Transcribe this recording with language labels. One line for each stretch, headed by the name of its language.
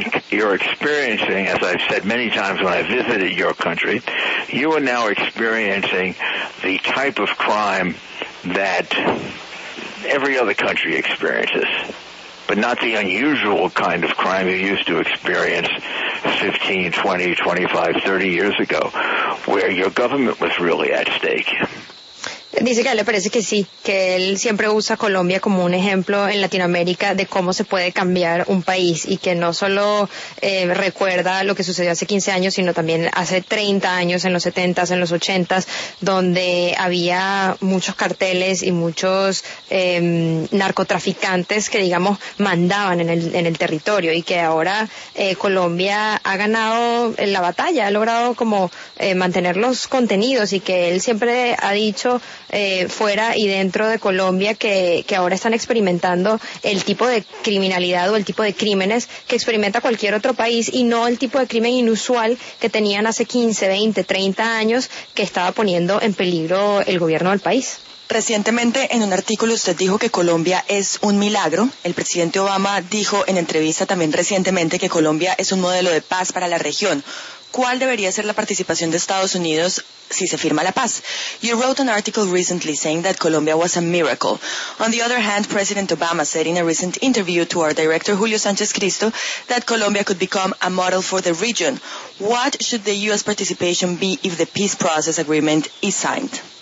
English: You're experiencing, as I've said many times when I visited your country, you are now experiencing the type of crime that every other country experiences, but not the unusual kind of crime you used to experience 15, 20, 25, 30 years ago, where your government was really at stake.
Spanish: Dice que a él le parece que sí, que él siempre usa Colombia como un ejemplo en Latinoamérica de cómo se puede cambiar un país, y que no solo recuerda lo que sucedió hace 15 años, sino también hace 30 años, en los 70s, en los 80s, donde había muchos carteles y muchos narcotraficantes que, digamos, mandaban en el territorio, y que ahora Colombia ha ganado la batalla, ha logrado como mantenerlos contenidos, y que él siempre ha dicho fuera y dentro de Colombia que ahora están experimentando el tipo de criminalidad o el tipo de crímenes que experimenta cualquier otro país y no el tipo de crimen inusual que tenían hace 15, 20, 30 años que estaba poniendo en peligro el gobierno del país. Recientemente en un artículo usted dijo que Colombia es un milagro. El presidente Obama dijo en entrevista también recientemente que Colombia es un modelo de paz para la región. ¿Cuál debería ser la participación de Estados Unidos si se firma la paz?
English: You wrote an article recently saying that Colombia was a miracle. On the other hand, President Obama said in a recent interview to our director Julio Sánchez Cristo that Colombia could become a model for the region. What should the U.S. participation be if the peace process agreement is signed?